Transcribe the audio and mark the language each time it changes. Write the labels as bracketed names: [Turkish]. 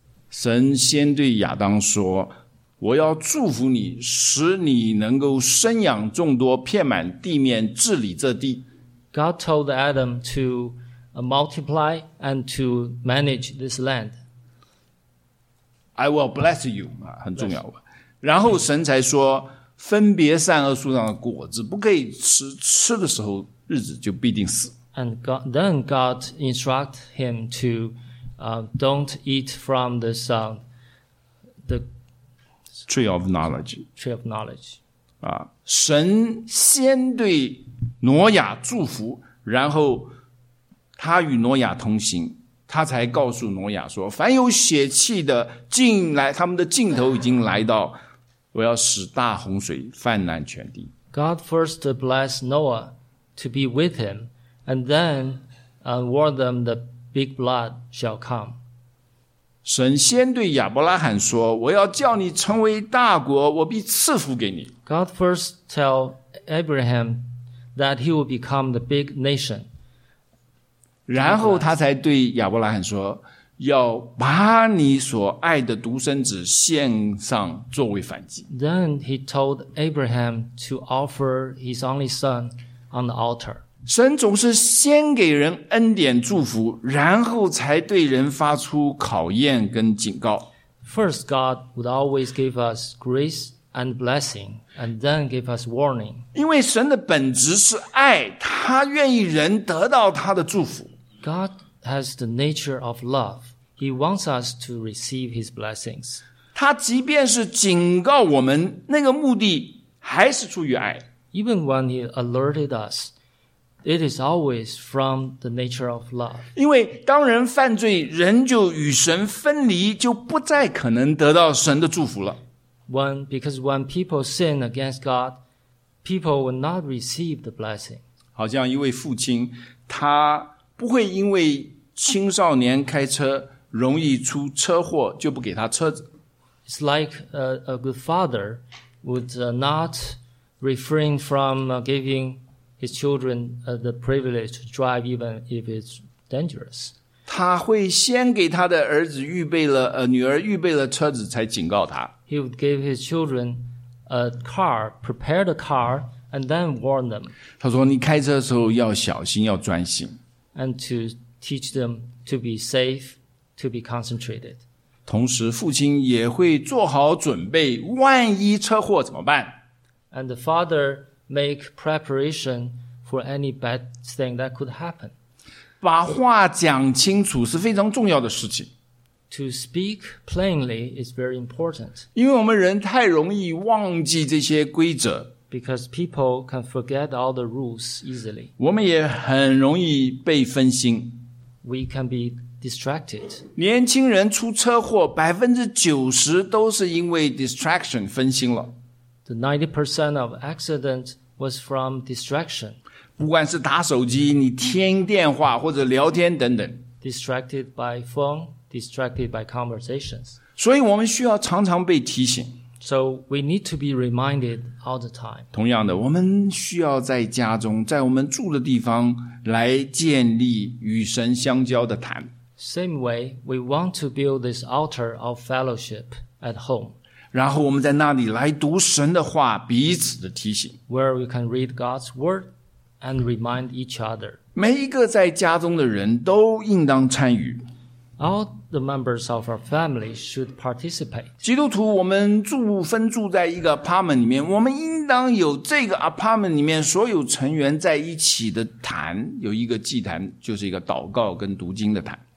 [Chinese] 神先对亚当说，我要祝福你，使你能够生养众多，遍满地面，治理这地。 [English] God told Adam to multiply and to manage this land. I will bless you. [Chinese] 很重要吧。然后神才说，分别善恶树上的果子不可以吃，吃的时候日子就必定死。 [English] And then God instructed him to don't eat from this the tree of knowledge. Tree of knowledge. [Chinese] 啊，神先对挪亚祝福，然后他与挪亚同行，他才告诉挪亚说，凡有血气的进来，他们的尽头已经来到，我要使大洪水泛滥全地。 [English] God first blessed Noah to be with him, and then warned them the big flood shall come. [Chinese] 神先对亚伯拉罕说，我要叫你成为大国，我必赐福给你。 [English] God first tell Abraham that he will become the big nation. [Chinese] 然后他才对亚伯拉罕说，要把你所爱的独生子献上作为燔祭。 [English] Then he told Abraham to offer his only son on the altar. [Chinese] 神总是先给人恩典祝福，然后才对人发出考验跟警告。 [English] First, God would always give us grace and blessing. And then give us warning. [Chinese] 因为神的本质是爱，他愿意人得到他的祝福。 [English] God has the nature of love. He wants us to receive his blessings. [Chinese] 他即便是警告我们，那个目的还是出于爱。 [English] Even when he alerted us, It is always from the nature of love. [Chinese] 因为当人犯罪，人就与神分离，就不再可能得到神的祝福了。 [English] Because when people sin against God, people will not receive the blessing. [Chinese] 好像一位父亲，他不会因为青少年开车容易出车祸，就不给他车子。 [English] It's like a good father would not refrain from giving his children the privilege to drive even if it's dangerous. [Chinese] 他会先给他的儿子预备了女儿预备了车子才警告他。 [English] He would give his children a car, prepare the car, and then warn them. [Chinese] 他说你开车的时候要小心要专心。 [English] And to teach them to be safe, to be concentrated. [Chinese] 同时父亲也会做好准备万一车祸怎么办 [English] And the father make preparation for any bad thing that could happen. [Chinese] 把话讲清楚是非常重要的事情 [English] To speak plainly is very important. [Chinese] 因为我们人太容易忘记这些规则 [English] Because people can forget all the rules easily. [Chinese] 我们也很容易被分心 [English] We can be distracted. [Chinese] 年轻人出车祸 90% 都是因为 distraction 分心了 [English] The 90% of accident was from distraction. [Chinese] 不管是打手机你听电话或者聊天等等 [English] Distracted by phone, distracted by conversations. [Chinese] 所以我们需要常常被提醒 [English] So we need to be reminded all the time. [Chinese] 同样的我们需要在家中在我们住的地方来建立与神相交的坛 [English] Same way, we want to build this altar of fellowship at home. [Chinese] 然后我们在那里来读神的话，彼此的提醒。 [English] Where we can read God's word and remind each other. [Chinese] 每一个在家中的人都应当参与。 [English] All the members of our family should participate. [Chinese] 基督徒，我们分住在一个 apartment 里面，我们应当有这个 apartment 里面所有成员在一起的坛，有一个祭坛，就是一个祷告跟读经的坛。